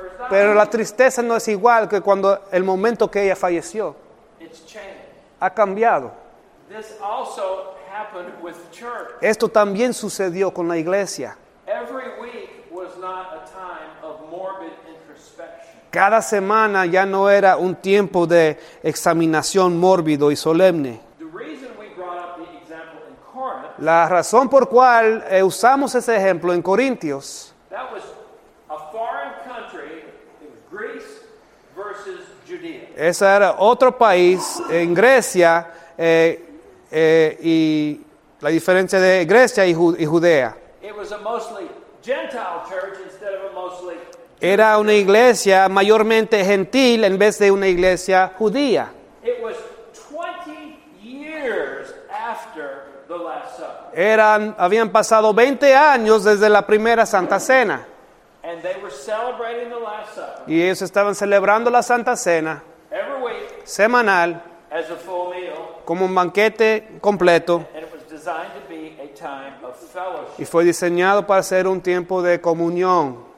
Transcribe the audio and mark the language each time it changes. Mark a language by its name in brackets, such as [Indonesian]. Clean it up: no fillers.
[Spanish] Pero la tristeza no es igual que cuando el momento que ella falleció. [English] It's changed. [Spanish] Ha cambiado. [English] This also happened with church. [Spanish] Esto también sucedió con la iglesia. [English] Every week was not a time of morbid introspection. [Spanish] Cada semana ya no era un tiempo de examinación mórbido y solemne. [English] The reason we brought up the example in Corinth, [Spanish] la razón por cual usamos ese ejemplo en Corintios, [English] that was a foreign country, it was Greece versus Judea. [Spanish] Esa era otro país en Grecia y la diferencia de Grecia y Judea. [English] It was a mostly Gentile church instead of a mostly Jewish. [Spanish] Era una iglesia mayormente gentil en vez de una iglesia judía. [English] It was 20 years after the Last Supper. [Spanish] Habían pasado 20 años desde la primera Santa Cena. [English] And they were celebrating the Last Supper. [Spanish] Y ellos estaban celebrando la Santa Cena. [English] Every week. [Spanish] Semanal. [English] As a full meal. [Spanish] Como un banquete completo. [English] And it was designed to be a time of fellowship. [Spanish] Y fue diseñado para ser un tiempo de comunión.